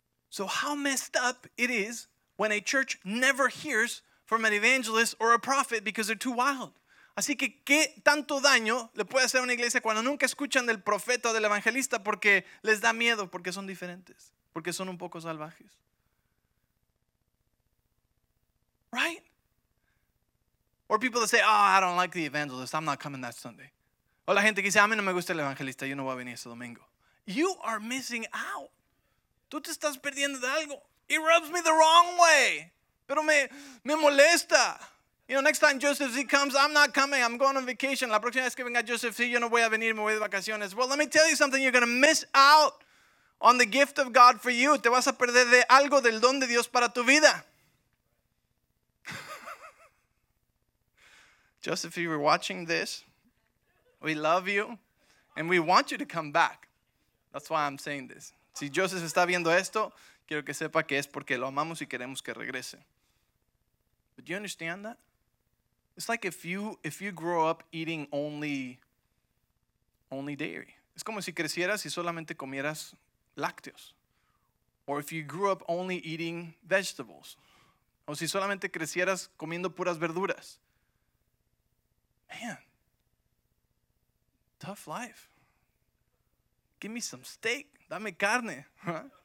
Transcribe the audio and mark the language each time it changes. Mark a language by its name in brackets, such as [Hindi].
[English] So how messed up it is when a church never hears from an evangelist or a prophet because they're too wild. [Spanish] Así que, ¿qué tanto daño le puede hacer a una iglesia cuando nunca escuchan del profeta o del evangelista porque les da miedo, porque son diferentes, porque son un poco salvajes? [English] Right? Or people that say, oh, I don't like the evangelist, I'm not coming that Sunday. [Spanish] O la gente que dice, a mí no me gusta el evangelista, yo no voy a venir ese domingo. [English] You are missing out. [Spanish] Tú te estás perdiendo de algo. [English] It rubs me the wrong way. [Spanish] Pero me molesta. [English] You know, next time Joseph Z comes, I'm not coming. I'm going on vacation. [Spanish] La próxima vez que venga Joseph Z, yo no voy a venir, me voy de vacaciones. [English] Well, let me tell you something. You're going to miss out on the gift of God for you. [Spanish] Te vas a perder de algo del don de Dios para tu vida. [English] Joseph, if you were watching this, we love you, and we want you to come back. That's why I'm saying this. [Spanish] Si Joseph está viendo esto, quiero que sepa que es porque lo amamos y queremos que regrese. [English] But do you understand that? It's like if you grow up eating only dairy. [Spanish] Es como si crecieras y solamente comieras lácteos. [English] Or if you grew up only eating vegetables. [Spanish] O si solamente crecieras comiendo puras verduras. [English] Man, tough life. Give me some steak. [Spanish] Dame carne, huh?